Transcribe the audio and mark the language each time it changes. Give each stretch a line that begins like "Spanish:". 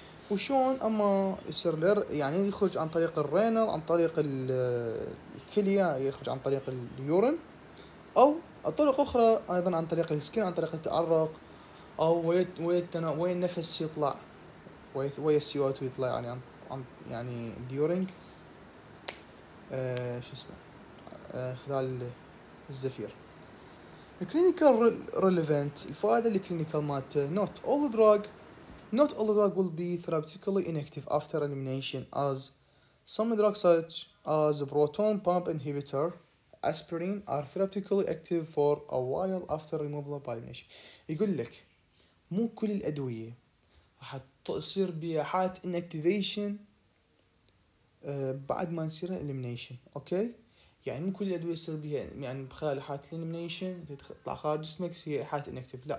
Arabic: وشون اما يصير يعني يخرج عن طريق الرينال، عن طريق الكلية، يخرج عن طريق اليورين، او طرق اخرى ايضا عن طريق السكين، عن طريق التعرق، او وين النفس يطلع، وي السيوات يطلع، يعني يعني ديورينج شو اسمه خلال الزفير. الكلينيكال ريليفنت، الفائدة الكلينيكال مالته، نوت اول دراج
English: Not all drugs will be therapeutically inactive after elimination, as some drugs such as proton pump inhibitor, aspirin, are therapeutically active for a while after removal by elimination.
Arabic: يقول لك مو كل الأدوية راح تصير بها حالة inactivation بعد ما نصير elimination. أوكي، يعني مو كل الأدوية تصير بها يعني بخلال حالة elimination تطلع خارج جسمك هي حالة inactive.